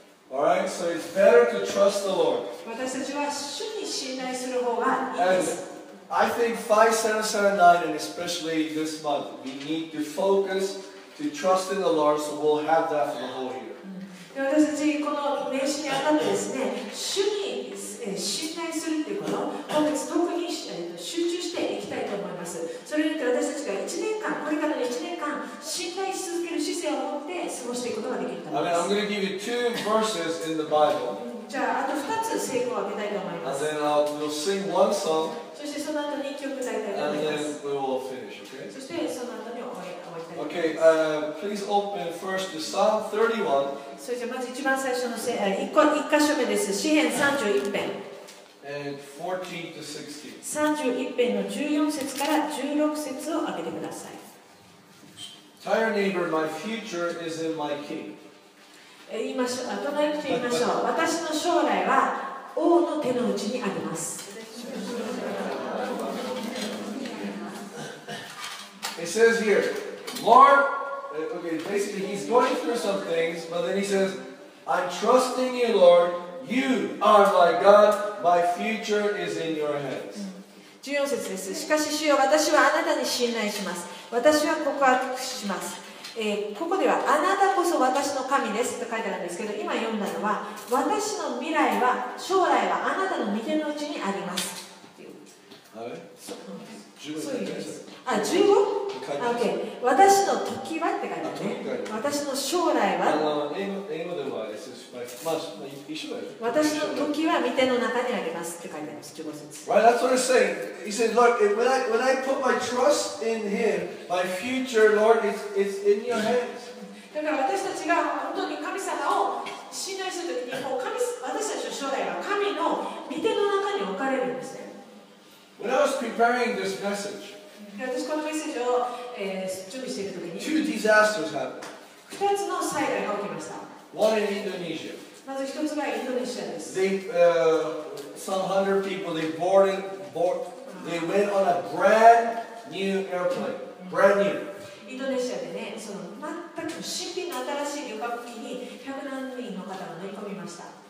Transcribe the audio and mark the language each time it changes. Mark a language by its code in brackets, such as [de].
[en] All right, so it's better to trust the Lord. [ja] 私たちは主に信頼する方がいいです。 [en] I think 5779 and especially this month, we need to focus to trust in the Lord, so we'll have that for the whole year. [ja] 私たちこの年始にあたってですね、主に信頼するっていうこと、今月特に集中していきたいと思います。それによって私たちが1年間、これからの1年間、信頼し続ける姿勢を持って過ごしていくことができると思います。 [en] I mean, I'm going to give you two verses in the Bible. [ja] じゃあ、あと2つ聖句をあげたいと思います。 [en] And then we'll sing one song. [ja] そしてその後に1曲歌いたいと思います。 [en] And then we will finish, okay? [ja] そしてその後に終わりたいと思います。 [en] Okay, please open first to Psalm 31. [ja] それじゃあまず一番最初の一箇所目です。詩篇31編。 [en] And 14 to 16. [ja] 31編の14節から16節を挙げてください。 [en] Tell your neighbor, my future is in my king. [ja] 言いましょう。隣人言いましょう。私の将来は王の手の内にあります。 [en] It says here, Lord, okay, basically he's going through some things, but then he says, I'm trusting you, Lord, you are my God, my future is in your hands. [ja] 14節です。しかし主よ、私はあなたに信頼します。私は告白します。ここではあなたこそ私の神ですと書いてあるんですけど、今読んだのは私の未来は将来はあなたの御手のうちにありますっていう。あれ？15節。あ、15？ OK。私の時はって書いてあるね。私の将来は。英語では一緒だよ。私の時は御手の中にありますって書いてあります。15節。 [en] Right, that's what it's saying. He said, Lord, when I put my trust in Him, my future, Lord, is in your hands. [ja] だから私たちが本当に神様を信頼するときに、もう神、私たちの将来は神の御手の中に置かれるんですね。 [en] When I was preparing this message, [ja] 私このメッセージを、準備しているときに、 [en] two disasters happened. [ja] 二つの災害が起きました。 [en] One in Indonesia. [ja] まず一つがインドネシアです。 [en] They, some hundred people, they boarded, they went on a brand new airplane. Brand new. [ja] インドネシアでね、その全く新品の新しい旅客機に百何人の方が乗り込みました。